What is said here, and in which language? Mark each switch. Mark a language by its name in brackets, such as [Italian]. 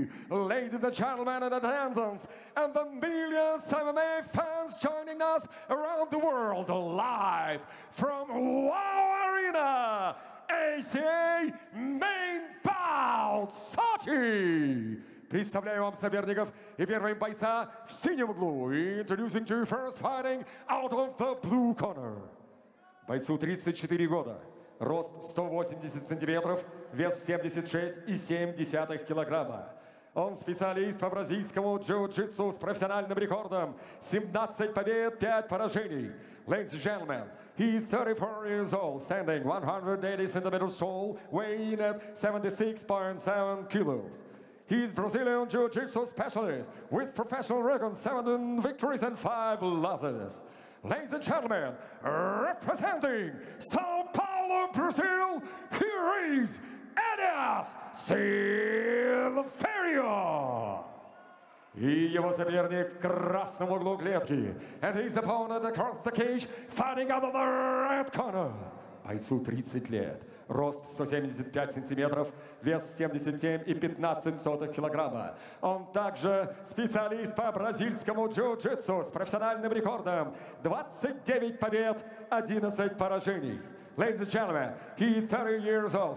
[English] Ladies and gentlemen in attendance and the millions of MMA fans joining us around the world live from Wau-Arena, ACA Main Bout Сочи! [Russian] Представляю вам соперников и первым бойца в синем углу. [English] Introducing to you first fighting out of the blue corner. [Russian] Бойцу 34 года. Рост 180 сантиметров, вес 76,7 килограмма. Он специалист по бразильскому джиу-джитсу с профессиональным рекордом. 17 побед, 5 поражений. [English] Ladies and gentlemen, he is 34 years old, standing 180 centimeters tall, weighing at 76.7 kilos. He is Brazilian jiu-jitsu specialist with professional record 7 victories and 5 losses. Ladies and gentlemen, representing São Paulo, Brazil, here is Elias Silverio. [Russian] И его соперник в красном углу клетки. [English] And his opponent across the cage, fighting out of the red corner. [Russian] Бойцу 30 лет. Рост 175 сантиметров, вес 77,15 килограмма. Он также специалист по бразильскому джиу-джитсу с профессиональным рекордом. 29 побед, 11 поражений. [English] Ladies and gentlemen, he is 30 years old.